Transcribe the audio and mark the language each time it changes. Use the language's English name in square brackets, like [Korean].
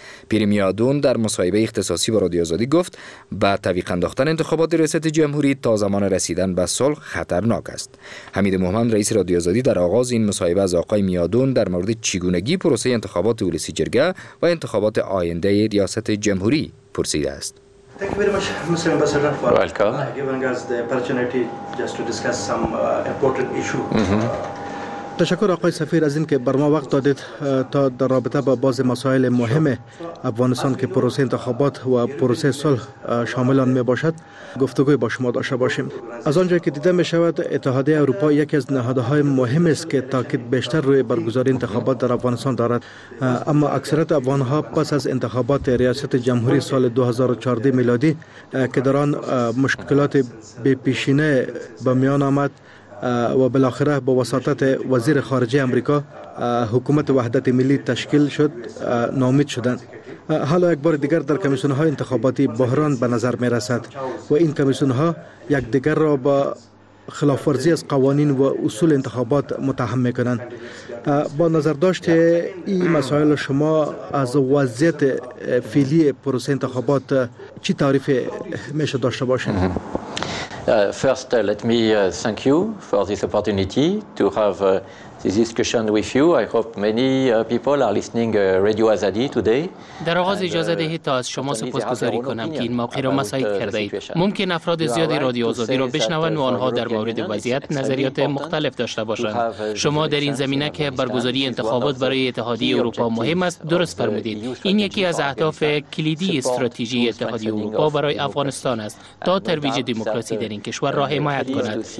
[Persian] پیرمیادون در مصاحبه اختصاصی با رادیو آزادی گفت با تعویق انداختن انتخابات ریاست جمهوری تا زمان رسیدن به صلح خطرناک است. حمید محمد رئیس رادیو آزادی در آغاز این مصاحبه از آقای میادون در مورد چگونگی پروسه انتخابات ولسی جرگه و انتخابات آینده ریاست جمهوری پرسیده است. [English] Thank you very much, Mr. Ambassador, for giving us the opportunity just to discuss some important issue. Mm-hmm. [Persian] تشکر آقای سفیر از این که بر ما وقت دادید تا در رابطه با بعض مسائل مهم افغانستان که پروسه انتخابات و پروسه صلح شامل آن می باشد گفتگوی با شما داشته باشیم. از آنجا که دیده می شود اتحادیه اروپا یکی از نهادهای مهم است که تاکید بیشتر روی برگزاری انتخابات در افغانستان دارد، اما اکثریت افغان ها پس از انتخابات ریاست جمهوری سال 2014 میلادی که در آن مشکلات بی پیشینه به میان آمد و بالاخره با وساطت وزیر خارجه امریکا حکومت وحدت ملی تشکیل شد نامید شدند. حالا یک بار دیگر در کمیسیون های انتخاباتی بحران به نظر می رسد و این کمیسیون ها یک دیگر را با خلاف ورزی از قوانین و اصول انتخابات متهم می کنند. با نظر داشت این مسائل شما از وضعیت فعلی پروسه انتخابات چی تعریف می شود داشته باشید؟ [English] First, let me thank you for this opportunity to have this discussion with you. I hope many people are listening Radio Azadi today. [Persian] در آغاز اجازه دهید تا از شما سپاسگزاری کنم که این موقع را مساعد کرده اید. ممکن افراد زیادی رادیو آزادی را بشنوند و آنها در مورد وضعیت نظریات مختلف داشته باشند. شما در این زمینه که برگزاری انتخابات برای اتحادیه اروپا مهم است درست فرمودید. این یکی از اهداف کلیدی استراتژی اتحادیه اروپا برای افغانستان است تا ترویج دموکراسی در این کشور را حمایت کند.